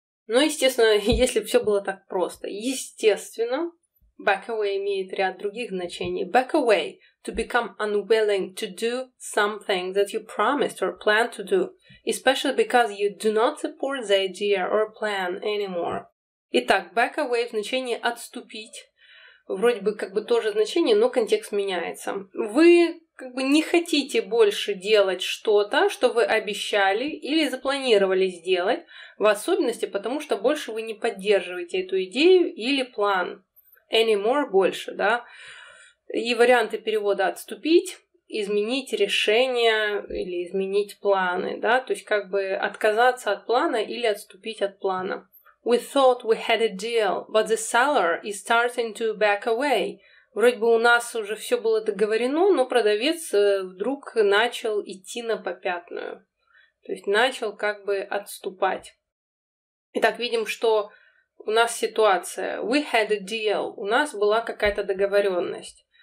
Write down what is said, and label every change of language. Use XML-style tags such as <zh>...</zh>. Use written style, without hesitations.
<ru>Ну, естественно, если бы все было так просто. Естественно, Back away имеет ряд других значений.</ru> <en>Back away – to become unwilling to do something that you promised or plan to do, especially because you do not support the idea or plan anymore.</en> <ru>Итак, back away – значение «отступить». Вроде бы как бы тоже значение, но контекст меняется. Вы как бы не хотите больше делать что-то, что вы обещали или запланировали сделать, в особенности потому, что больше вы не поддерживаете эту идею или план. Anymore – больше, да? И варианты перевода «отступить», «изменить решение» или «изменить планы», да? То есть как бы отказаться от плана или отступить от плана.</ru> <en>We thought we had a deal, but the seller is starting to back away.</en> <ru>Вроде бы у нас уже все было договорено, но продавец вдруг начал идти на попятную. То есть начал как бы отступать. Итак, видим, что у нас ситуация.</ru> <en>We had a deal.</en> <ru>У нас была какая-то договоренность.</ru>